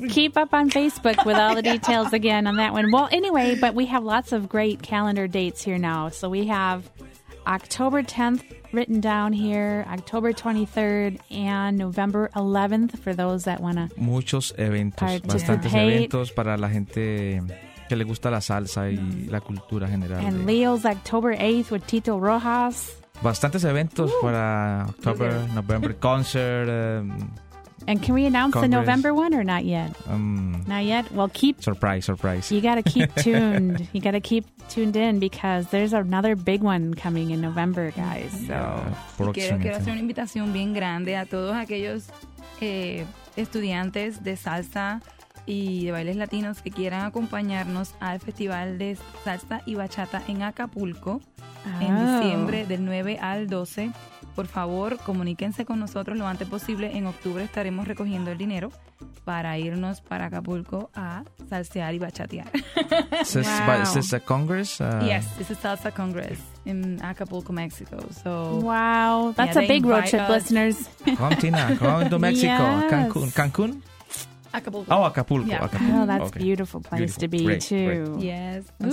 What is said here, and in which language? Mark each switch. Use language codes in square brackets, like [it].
[en] Keep up on Facebook with all the details again on that one. Well, anyway, but we have lots of great calendar dates here now. So we have October 10th written down here, October 23rd, and November 11th for those that want to... [es] Muchos eventos. Bastantes eventos para la gente... Que le gusta la salsa y la cultura general. [en] And Leo's October 8th with Tito Rojas. [es] Bastantes eventos para [en] October, November, concert. And can we announce Congress. The November one or not yet? Not yet? Well, keep... Surprise. You got to keep tuned. You got to keep tuned in because there's another big one coming in November, guys. So. [es] Quiero hacer una invitación bien grande a todos aquellos estudiantes de salsa y de bailes latinos que quieran acompañarnos al Festival de Salsa y Bachata en Acapulco. en diciembre del 9 al 12. Por favor, comuníquense con nosotros lo antes posible. En octubre estaremos recogiendo el dinero para irnos para Acapulco a salsear y bachatear. ¿Es a Congress? [en] Yes, it's a Salsa Congress in Acapulco, Mexico. So, wow, that's a big road trip, listeners. Come, Tina, come to Mexico. Yes. Cancun? Acapulco. Oh, Acapulco. Yeah. Acapulco. Oh, that's a okay. Beautiful place beautiful. To be, great, too. Great. Yes. Ooh,